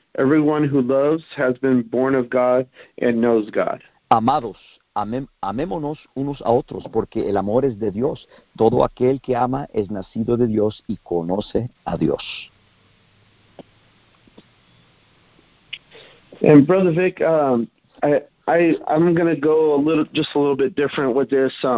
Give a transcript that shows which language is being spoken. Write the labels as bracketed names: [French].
[English] Everyone who loves has been born of God and knows God. [Spanish] Amados, amémonos unos a otros, porque el amor es de Dios. Todo aquel que ama es nacido de Dios y conoce a Dios. [English] And Brother Vic, I'm going to go a little bit different with this.